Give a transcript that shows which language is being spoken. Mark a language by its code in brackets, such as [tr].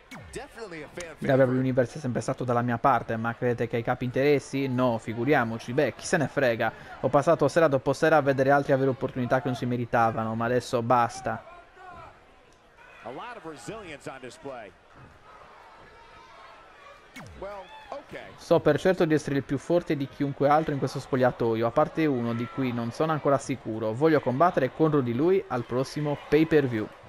[it] Il WWE Universe è sempre stato dalla mia parte, ma credete che hai capi interessi? No, figuriamoci. Beh, chi se ne frega. Ho passato sera dopo sera a vedere altri avere opportunità che non si meritavano, ma adesso basta. [en] A lot of resilience on display. Well, okay. [it] So per certo di essere il più forte di chiunque altro in questo spogliatoio, a parte uno di cui non sono ancora sicuro. Voglio combattere contro di lui al prossimo pay-per-view.